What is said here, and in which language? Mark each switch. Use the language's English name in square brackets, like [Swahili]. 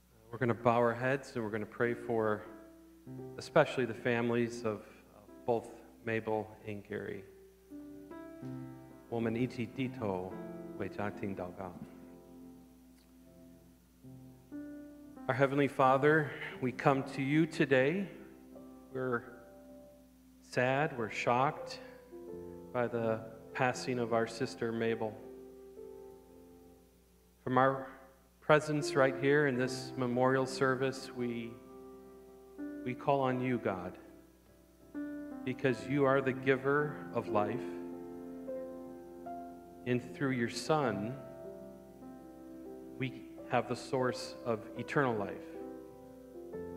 [English] We're going to bow our heads and we're going to pray for especially the families of both Mabel and Gary. [Chinese] 我们一起低头为家庭祷告。 [English] Our Heavenly Father, we come to you today. We're sad, we're shocked by the passing of our sister Mabel. From our presence right here in this memorial service, we call on you, God, because you are the giver of life, and through your Son, we have the source of eternal life.